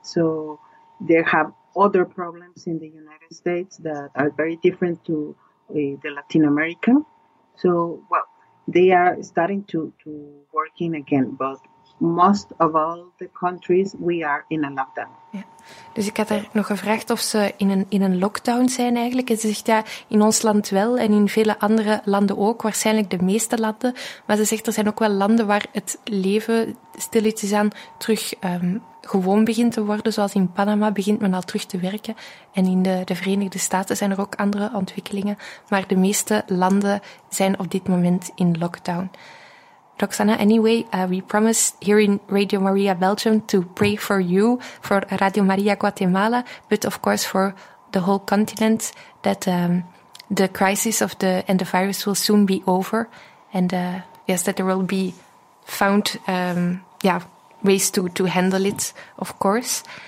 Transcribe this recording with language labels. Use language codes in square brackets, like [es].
[en] So they have other problems in the United States that are very different to the Latin America. So, well, they are starting to work in again, but most of all the countries, we are in a lockdown. [nl] Ja. Dus ik had haar nog gevraagd of ze in een lockdown zijn eigenlijk. En ze zegt ja, in ons land wel en in vele andere landen ook, waarschijnlijk de meeste landen. Maar ze zegt er zijn ook wel landen waar het leven stilletjes aan terug gewoon begint te worden. Zoals in Panama begint men al terug te werken. En in de Verenigde Staten zijn er ook andere ontwikkelingen. Maar de meeste landen zijn op dit moment in lockdown. [en] Roxana, anyway, we promise here in Radio Maria Belgium to pray for you, for Radio Maria Guatemala, but of course for the whole continent, that the crisis of the and the virus will soon be over, and yes, that there will be found ways to handle it, of course.